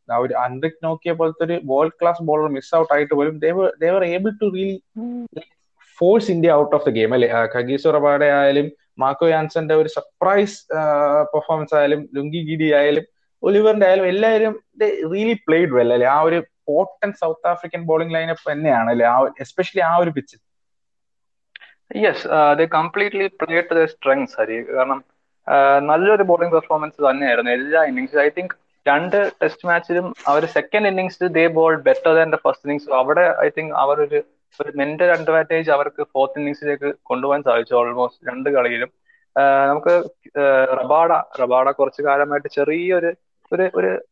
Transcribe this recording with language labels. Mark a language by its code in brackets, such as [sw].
[ml] ആ ഒരു അൻഡ്രിക് നോക്കിയ പോലത്തെ ഒരു world class bowler miss out ആയിട്ട് പോലും [en] they were able to really force India out of the game [ml] അല്ലെ. ഖഗീസ് ഉറപാടെ ആയാലും മാർക്കോ ജാൻസന്റെ ഒരു സർപ്രൈസ് പെർഫോമൻസ് ആയാലും ലുങ്കി ഗിഡി ആയാലും ഒലിവറിന്റെ ആയാലും എല്ലാവരും [en] really played well [ml] അല്ലെ. ആ ഒരു പോട്ടൻ സൗത്ത് ആഫ്രിക്കൻ ബോളിംഗ് ലൈനപ്പ് തന്നെയാണ് അല്ലെ, എസ്പെഷ്യലി ആ ഒരു പിച്ചിൽ. [en] Yes, they completely played to their strengths, Hari. [ml] കാരണം നല്ലൊരു ബോളിംഗ് പെർഫോമൻസ് തന്നെയായിരുന്നു എല്ലാ ഇന്നിംഗ്സിലും. ഐ തിങ്ക് രണ്ട് ടെസ്റ്റ് മാച്ചിലും അവർ സെക്കൻഡ് ഇന്നിംഗ്സിൽ [en] They bowled better than the first innings. [ml] അവിടെ ഐ തിങ്ക് അവരൊരു ഒരു മെന്റൽ അഡ്വാൻറ്റേജ് അവർക്ക് ഫോർത്ത് ഇന്നിംഗ്സിലേക്ക് കൊണ്ടുപോകാൻ സാധിച്ചു ഓൾമോസ്റ്റ് രണ്ട് കളിയിലും. നമുക്ക് റബാഡ കുറച്ച് കാലമായിട്ട് ചെറിയൊരു ഒരു ഒരു